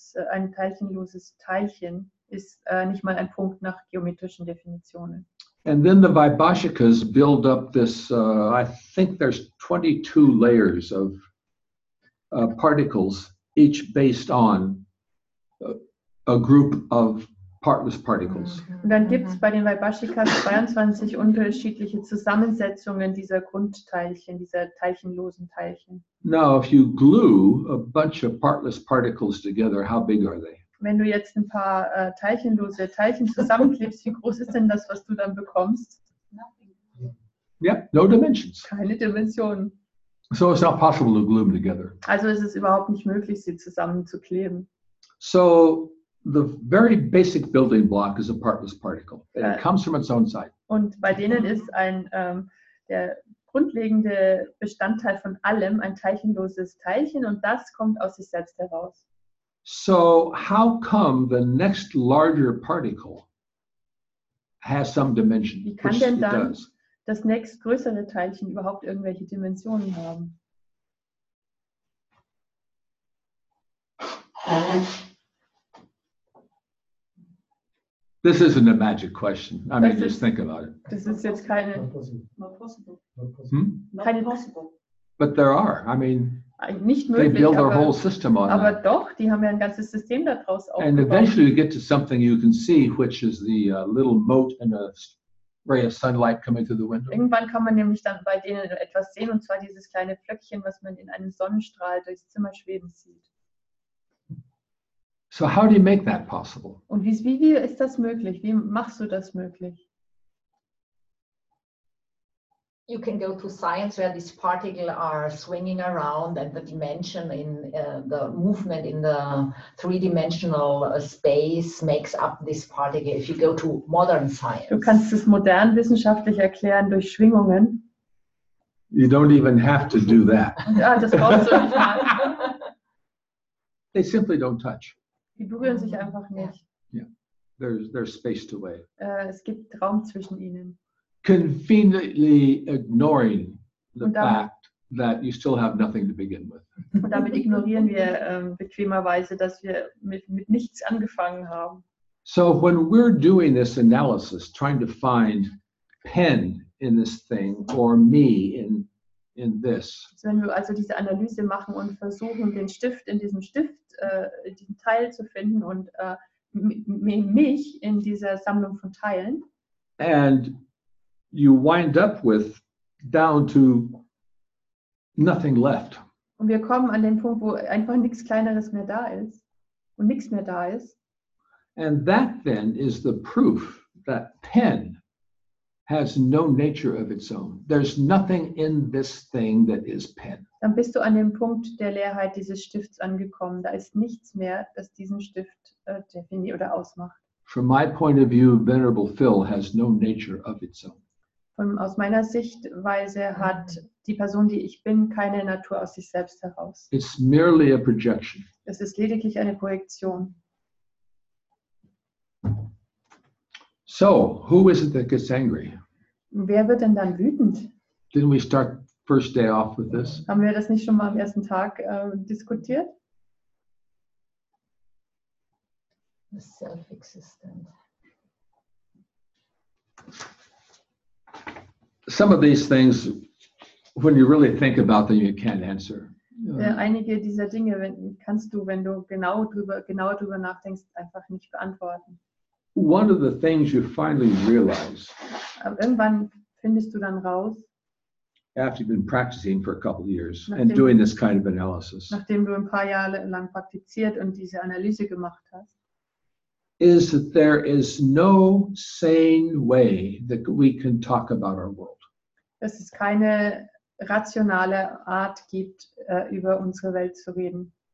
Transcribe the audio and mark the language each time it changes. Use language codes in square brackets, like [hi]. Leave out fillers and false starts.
[de] Ein teilchenloses Teilchen ist nicht mal ein Punkt nach geometrischen Definitionen. [en] And then the Vaibhashikas build up this I think there's 22 layers of particles, each based on a group of partless particles. [de] Und dann gibt es bei den Vaibhashikas 22 unterschiedliche Zusammensetzungen dieser Grundteilchen, dieser teilchenlosen Teilchen. [en] Now, if you glue a bunch of partless particles together, how big are they? [de] Wenn du jetzt ein paar teilchenlose Teilchen zusammenklebst, wie groß ist denn das, was du dann bekommst? [en] Nothing. Yep, no dimensions. [de] Keine Dimensionen. [en] So it's not possible to glue them together. [de] Also ist es überhaupt nicht möglich, sie zusammenzukleben. [en] So the very basic building block is a partless particle. And it comes from its own side. [de] Und bei denen ist der grundlegende Bestandteil von allem ein teilchenloses Teilchen, und das kommt aus sich selbst heraus. [en] So how come the next larger particle has some dimension? [de] Wie kann denn dann das nächst größere Teilchen überhaupt irgendwelche Dimensionen haben? [en] This isn't a magic question. I mean, just think about it. This is just kind of not possible. But there are. I mean, [de] nicht möglich, [en] they build their whole system on [de] aber [en] that. [de] Aber doch, die haben ja ein ganzes System daraus aufgebaut. [en] And eventually, you get to something you can see, which is the little mote and a ray of sunlight coming through the window. [de] Irgendwann kann man nämlich dann bei denen etwas sehen, und zwar dieses kleine Flöckchen, was man in einem Sonnenstrahl durchs Zimmer schweben sieht. [en] So how do you make that possible? [de] Und wie ist das möglich? Wie machst du das möglich? [en] You can go to science where these particles are swinging around and the dimension in the movement in the three-dimensional space makes up this particle. If you go to modern science. [de] Du kannst es modern wissenschaftlich erklären durch Schwingungen. [en] You don't even have to do that. [de] Ja, das brauchst du nicht. [en] They simply don't touch. [de] Die berühren sich einfach nicht. [en] Yeah. There's space to wave. [de] Es gibt Raum zwischen ihnen. [en] Conveniently ignoring the fact that you still have nothing to begin with. [de] Und damit ignorieren wir bequemerweise, dass wir mit nichts angefangen haben. [en] So when we're doing this analysis, trying to find Penn in this thing or me in this. [de] Also wenn wir also diese Analyse machen und versuchen, den Stift in diesem Stift, den Teil zu finden und mich in dieser Sammlung von Teilen. [en] And you wind up with down to nothing left. [de] Und wir kommen an den Punkt, wo einfach nichts Kleineres mehr da ist und nichts mehr da ist. [en] And that then is the proof that Penn has no nature of its own. There's nothing in this thing that is Penn. [de] Dann bist du an dem Punkt der Leerheit dieses Stifts angekommen. Da ist nichts mehr, das diesen Stift definiert oder ausmacht. [en] From my point of view, Venerable Phil has no nature of its own. [de] Von, aus meiner Sichtweise hat die Person, die ich bin, keine Natur aus sich selbst heraus. [en] It's merely a projection. [de] Es ist lediglich eine Projektion. [en] So, who is it that gets angry? [de] Wer wird denn dann wütend? [en] Didn't we start first day off with this? [de] Haben wir das nicht schon mal am ersten Tag diskutiert? [en] The self-existent. Some of these things, when you really think about them, you can't answer. [de] Einige dieser Dinge kannst du, wenn du genau drüber nachdenkst, einfach nicht beantworten. [en] One of the things you finally realize. [de] Aber irgendwann findest du dann raus. [en] After you've been practicing for a couple of years and doing this kind of analysis. [de] Nachdem du ein paar Jahre lang praktiziert und diese Analyse gemacht hast. [en] Is that there is no sane way that we can talk about our world. [de] Dass es keine rationale Art gibt, über unsere Welt zu reden.